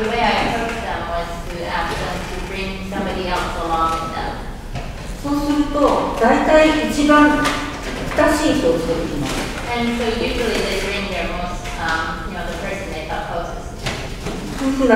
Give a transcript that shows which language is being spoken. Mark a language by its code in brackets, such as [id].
[en] the way I approached them was to ask them to bring somebody else along with them. [ja] そうすると、大体一番親しい人を連れてきます。 [en] And so usually they bring their most, you know, the person they thought closest.